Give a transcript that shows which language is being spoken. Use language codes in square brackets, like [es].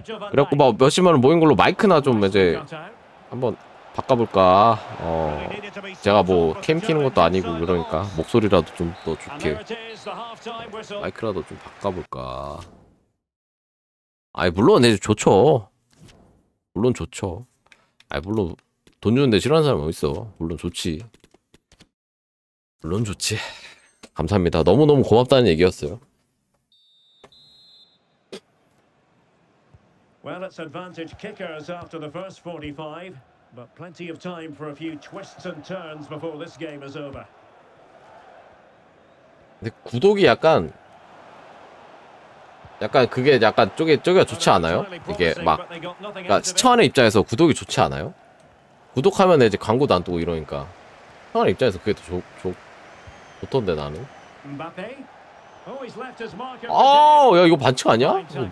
[ko] 그래갖고 막 몇십만 원 모인 걸로 마이크나 좀 이제 한번 바꿔볼까 어 제가 뭐 캠 키는 것도 아니고 그러니까 목소리라도 좀 더 좋게 마이크라도 좀 바꿔볼까 아이 물론 이제 좋죠 물론 좋죠 아이 물론 돈 주는데 싫어하는 사람 어딨어 물론 좋지 물론 좋지 감사합니다 너무너무 고맙다는 얘기였어요 [en] Well it's advantage kickers after the first 45 but plenty of time for a few twists and turns before this game is over [ko] 근데 구독이 약간 약간 그게 약간 쪼개가 좋지 않아요? 이게 막 그러니까 시청하는 입장에서 구독이 좋지 않아요? 구독하면 이제 광고도 안 뜨고 이러니까 시청하는 입장에서 그게 더 좋던데 나는 아 야 이거 반칙 아니야?